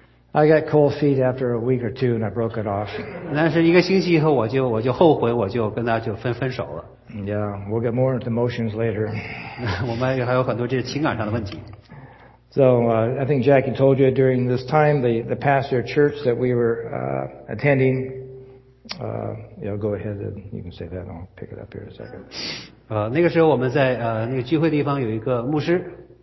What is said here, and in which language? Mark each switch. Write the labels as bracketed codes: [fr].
[en] I got cold feet after a week or two, and I broke it off. [zh] 但是一个星期以后，我就后悔，我就跟他就分手了。 [en] Yeah, we'll get more into emotions later. [zh] 我们还有很多这情感上的问题。 [en] So I think Jackie told you during this time the pastor church that we were attending. Yeah, go ahead. You can say that. I'll pick it up here in a second. [zh] 那个时候我们在那个聚会地方有一个牧师。